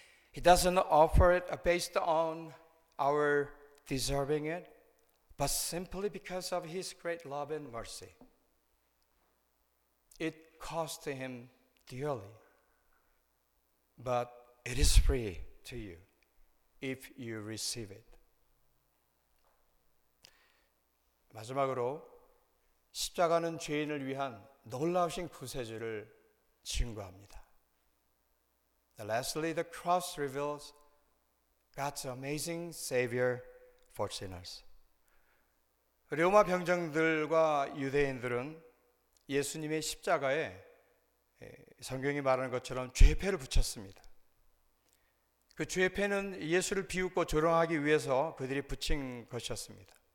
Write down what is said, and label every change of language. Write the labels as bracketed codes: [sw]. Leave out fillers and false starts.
[en] He doesn't offer it based on our deserving it, but simply because of his great love and mercy. It cost him dearly, but it is free to you if you receive it. [ko] 마지막으로 십자가는 죄인을 위한 놀라우신 구세주를 증거합니다. [en] Lastly, the cross reveals God's amazing Savior for sinners. [ko] 로마 병정들과 유대인들은 예수님의 십자가에 성경이 말하는 것처럼 죄패를 붙였습니다. 그 죄패는 예수를 비웃고 조롱하기 위해서 그들이 붙인 것이었습니다.